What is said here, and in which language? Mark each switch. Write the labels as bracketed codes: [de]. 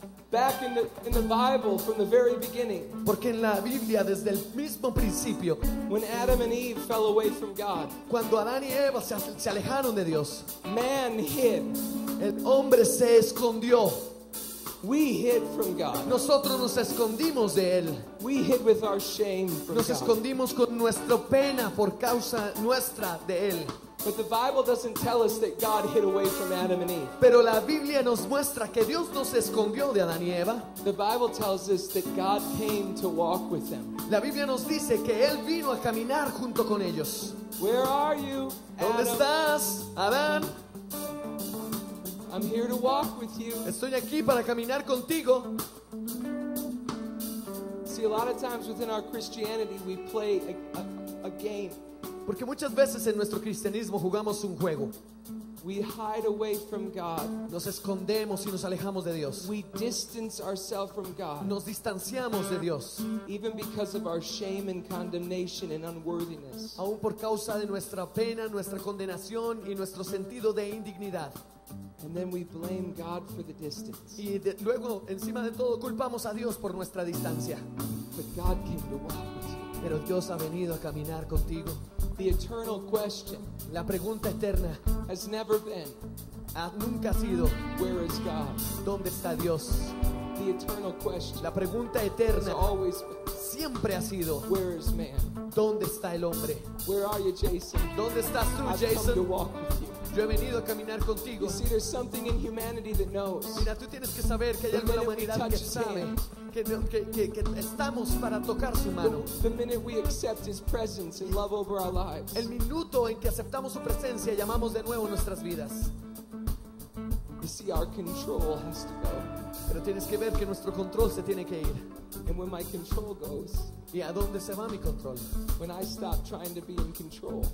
[en] Back in the Bible from the very beginning. [es] Porque en la Biblia desde el mismo principio. [en] When Adam and Eve fell away from God. [es] Cuando Adán y Eva se alejaron de Dios. [en] Man hid. [es] El hombre se escondió. [en] We hid from God. [es] Nosotros nos escondimos de él. [en] We hid with our shame from God. [es] Nos escondimos con nuestra pena por causa nuestra de él. [en] But the Bible doesn't tell us that God hid away from Adam and Eve. [es] Pero la Biblia nos muestra que Dios no se escondió de Adán y Eva. [en] The Bible tells us that God came to walk with them. [es] La Biblia nos dice que él vino a caminar junto con ellos. [en] Where are you, [es] Adam? ¿Dónde estás, Adán? [en] I'm here to walk with you. [es] Estoy aquí para caminar contigo. [en] See, a lot of times within our Christianity, we play a game. [es] Porque muchas veces en nuestro cristianismo jugamos un juego. [en] We hide away from God. [es] Nos escondemos y nos alejamos de Dios. [en] We distance ourselves from God. [es] Nos distanciamos de Dios. [en] Even because of our shame and condemnation and unworthiness. [es] Aún por causa de nuestra pena, nuestra condenación y nuestro sentido de indignidad. [en] And then we blame God for the distance. [es] Y luego, encima de todo, culpamos a Dios por nuestra distancia. [en] But God came to walk with you. [es] Pero Dios ha venido a caminar contigo. [en] The eternal question, [es] la pregunta eterna, [en] has never been, [es] ha nunca sido, [en] where is God? [es] ¿Dónde está Dios? [en] The eternal question, [es] la pregunta eterna, [en] has always been, [es] siempre ha sido, [en] where is man? [es] ¿Dónde está el hombre? [en] Where are you, Jason? [es] ¿Dónde estás tú, [en] I've [es] Jason? [en] Come to walk with you. [es] Yo he venido a caminar contigo. [en] You see, there's something in humanity that knows. [es] Mira, tú tienes que saber que hay algo en la humanidad que sabe. Que estamos para tocar su mano. [en] The minute we accept his presence and love over our lives. [es] El minuto en que aceptamos su presencia y amamos de nuevo nuestras vidas. [en] You see, our control has to go. [es] Pero tienes que ver que nuestro control se tiene que ir. [en] And when my control goes, [es] ¿y a dónde se va mi control? [en] When I stop trying to be in control.